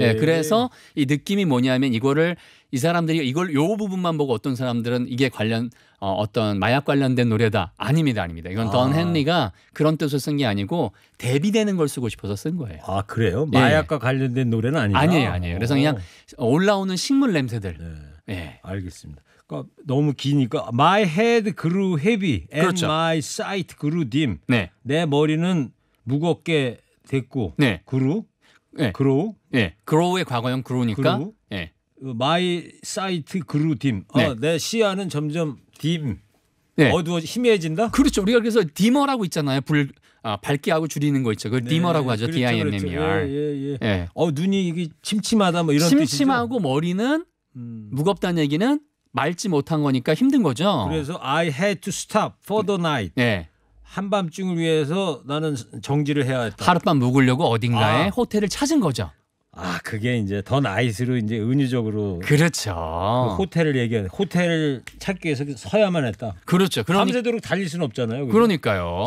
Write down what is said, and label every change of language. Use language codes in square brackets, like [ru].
[ko] 예, 그래서 이 느낌이 뭐냐면 이거를 이 사람들이 이걸 요 부분만 보고 어떤 사람들은 이게 관련 어떤 마약 관련된 노래다. 아닙니다, 아닙니다. 이건 던 헨리가 그런 뜻을 쓴 게 아니고 대비되는 걸 쓰고 싶어서 쓴 거예요. 아 그래요? 마약과 예. 관련된 노래는 아니야. 아니에요, 아니에요. 그래서 그냥 올라오는 식물 냄새들. 네. 예. 알겠습니다. 너무 기니까 [en] My head grew heavy and [ko] 그렇죠. [en] my sight grew dim. [ko] 네. 내 머리는 무겁게 됐고 네. [en] grew. [ko] 네. [en] grow. [ko] 네. grow의 과거형 grew니까. [en] grew. [ko] 네. [en] My sight grew dim. [ko] 네. 내 시야는 점점 dim. 네. 어두워 희미해진다. 그렇죠. 우리가 그래서 dimmer라고 있잖아요. 불 밝게 하고 줄이는 거 있죠. 그걸 네. dimmer라고 하죠. 그렇죠, [en] dimmer. [ko] 그렇죠. 예, 예, 예. 예. 눈이 이게 침침하다 뭐 이런 뜻이죠. 침침하고 뜻이죠? 머리는 무겁다는 얘기는 말지 못한 거니까 힘든 거죠. 그래서 [en] I had to stop for the night. [ko] 네. 한밤중을 위해서 나는 정지를 해야 했다. 하룻밤 묵으려고 어딘가에 호텔을 찾은 거죠. 아, 그게 이제 더 나이스로 이제 은유적으로 그렇죠. 그 호텔을 얘기해. 호텔을 찾기 위해서 서야만 했다. 그렇죠. 밤새도록 달릴 수는 없잖아요. 그러면. 그러니까요.